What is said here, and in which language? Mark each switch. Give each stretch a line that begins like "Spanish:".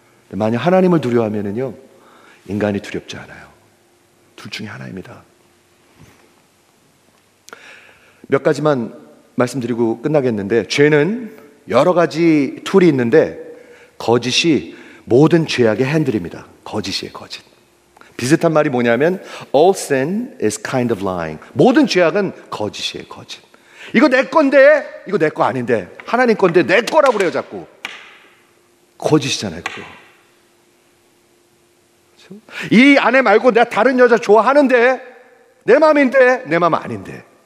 Korean: 만약 하나님을 두려워하면요, 인간이 두렵지 않아요. 둘 중에 하나입니다. 몇 가지만 말씀드리고 끝나겠는데, 죄는 여러 가지 툴이 있는데 거짓이 모든 죄악의 핸들입니다. 거짓이에요, 거짓. 비슷한 말이 뭐냐면
English: All sin is kind of lying.
Korean: 모든 죄악은 거짓이에요, 거짓. 이거 내 건데, 이거 내 거 아닌데, 하나님 건데 내 거라고 그래요, 자꾸. 거짓이잖아요, 그거. 그렇죠? 이 아내 말고 내가 다른 여자 좋아하는데, 내 마음인데, 내 마음 아닌데.